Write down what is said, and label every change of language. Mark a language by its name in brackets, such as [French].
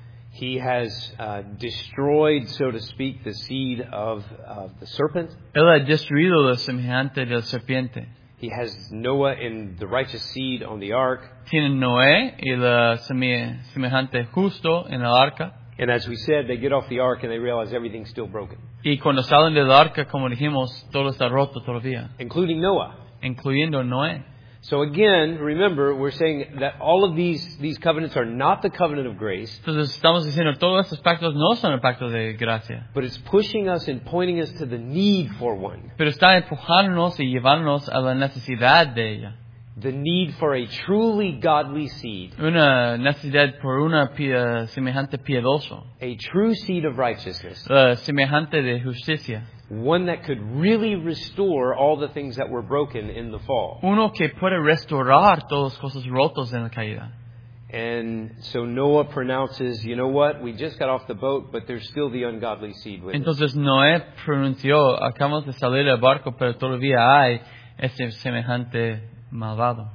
[English] He has destroyed, so to speak, the seed of the serpent. [Spanish] Él ha destruido la semejante del serpiente. [English] He has Noah and the righteous seed on the ark. [Spanish] Tiene Noé y la semejante justo en el arca. [English] And as we said, they get off the ark and they realize everything's still broken. [Spanish] Y cuando salen del arca, como dijimos, todo está roto todavía. [English] Including Noah. [Spanish] Incluyendo Noé. [English] So again, remember, we're saying that all of these covenants are not the covenant of grace. [Spanish] Entonces estamos diciendo todos estos pactos no son el pacto de gracia. [English] But it's pushing us and pointing us to the need for one. [Spanish] Pero está empujándonos y llevándonos a la necesidad de ella. [English] The need for a truly godly seed. [Spanish] Una necesidad por una semejante piedoso. [English] A true seed of righteousness. [Spanish] La semejante de justicia. [English] One that could really restore all the things that were broken in the fall. [Spanish] Uno que puede restaurar todas las cosas rotas en la caída. [English] And so Noah pronounces, you know what? We just got off the boat, but there's still the ungodly seed with [Spanish] Entonces, [English] us. [Spanish] Entonces Noé pronunció, acabamos de salir del barco, pero todavía hay ese semejante malvado.